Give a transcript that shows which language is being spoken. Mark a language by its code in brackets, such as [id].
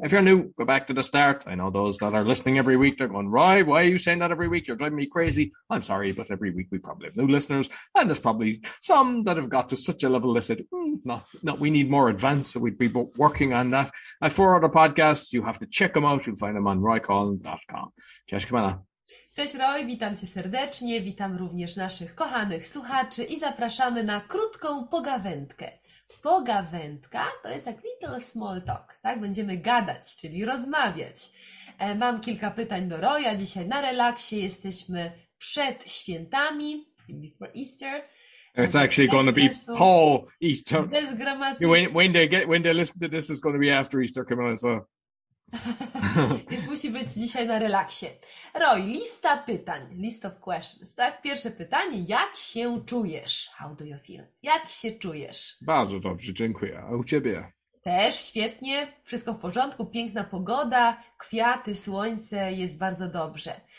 [en] If you're new, go back to the start. I know those that are listening every week, they're going, Roy, why are you saying that every week? You're driving me crazy. I'm sorry, but every week we probably have new listeners, and there's probably some that have got to such a level they said, we need more advanced, so we'd be working on that. At four other podcasts, you have to check them out. You'll find them on roycolin.com. [pl] Cześć, Kamila. Cześć Roy, witam Cię serdecznie, witam również naszych kochanych słuchaczy i zapraszamy na krótką pogawędkę. Pogawędka to jest jak [en] little small talk, [pl] tak? Będziemy gadać, czyli rozmawiać. Mam kilka pytań do Roya, dzisiaj na relaksie, jesteśmy przed świętami, [en] before Easter. It's actually going to be Paul Easter. [pl] Bez gramatyki. [en] When they listen to this, it's going to be after Easter, Kamila, so... [pl] Więc musi być dzisiaj na relaksie. Roy, lista pytań, [en] list of questions, [pl] tak? Pierwsze pytanie, jak się czujesz? [en] How do you feel? [pl] Jak się czujesz? Bardzo dobrze, dziękuję. A u ciebie? Też świetnie, wszystko w porządku, piękna pogoda, kwiaty, słońce, jest bardzo dobrze.